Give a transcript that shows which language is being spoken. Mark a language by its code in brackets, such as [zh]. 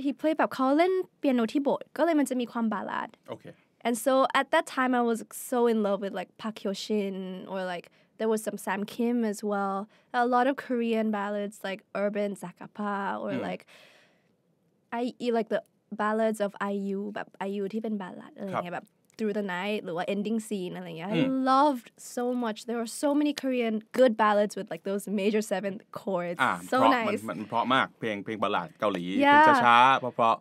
[en] He played [th] แบบเขาเล่นเปียโนที่โบสถ์ก็เลยมันจะมีความบาลาด [en] Okay. And so at that time I was so in love with like Park Hyo Shin or like. There was some Sam Kim as well. A lot of Korean ballads like Urban Zakapa or like IU like the ballads of IU [th] แบบ IU ที่เป็นบาลาดอะไรเงี้ยแบบ [en] Through the Night [th] หรือว่า [en] Ending Scene [th] อะไรเงี้ย [en] I loved so much. There were so many Korean good ballads with like those major seventh chords. So nice. [th] มันเพราะมากเพลงบาลาดเกาหลีช้าเพราะ